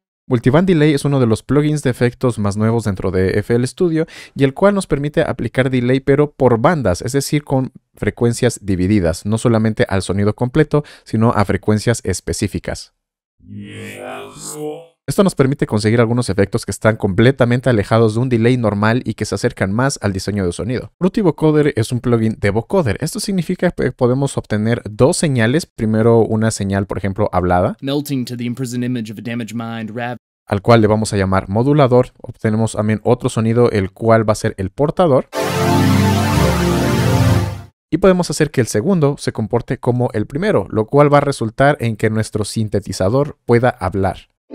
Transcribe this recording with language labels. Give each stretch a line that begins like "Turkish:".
Spanish: Multiband Delay es uno de los plugins de efectos más nuevos dentro de FL Studio y el cual nos permite aplicar delay pero por bandas, es decir, con frecuencias divididas, no solamente al sonido completo, sino a frecuencias específicas.
English: Yes.
Spanish: Esto nos permite conseguir algunos efectos que están completamente alejados de un delay normal y que se acercan más al diseño de sonido. Fruity Vocoder es un plugin de vocoder. Esto significa que podemos obtener dos señales. Primero una señal, por ejemplo, hablada.
English: Melting to the imprisoned image of a damaged mind,
Spanish: al cual le vamos a llamar modulador. Obtenemos también otro sonido, el cual va a ser el portador. Y podemos hacer que el segundo se comporte como el primero, lo cual va a resultar en que nuestro sintetizador pueda hablar.